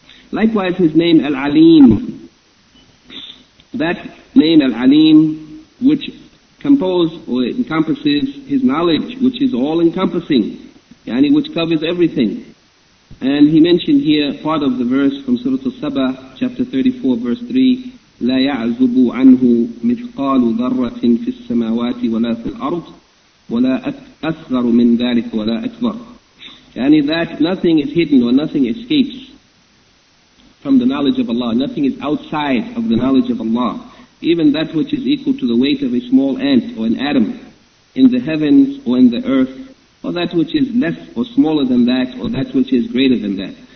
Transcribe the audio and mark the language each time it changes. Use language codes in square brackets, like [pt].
[en] Likewise, His name, Al-Aleem, that name, Al-Aleem, which composes or encompasses His knowledge, which is all-encompassing, yani which covers everything. And he mentioned here part of the verse from Surah Al-Saba, chapter 34, verse 3, [ar] لا يعزب عنه مثقال ذرة في السماوات ولا في الأرض ولا أصغر من ذلك ولا أكبر. [en] يعني that nothing is hidden or nothing escapes from the knowledge of Allah. Nothing is outside of the knowledge of Allah. Even that which is equal to the weight of a small ant or an atom in the heavens or in the earth, or that which is less or smaller than that, or that which is greater than that.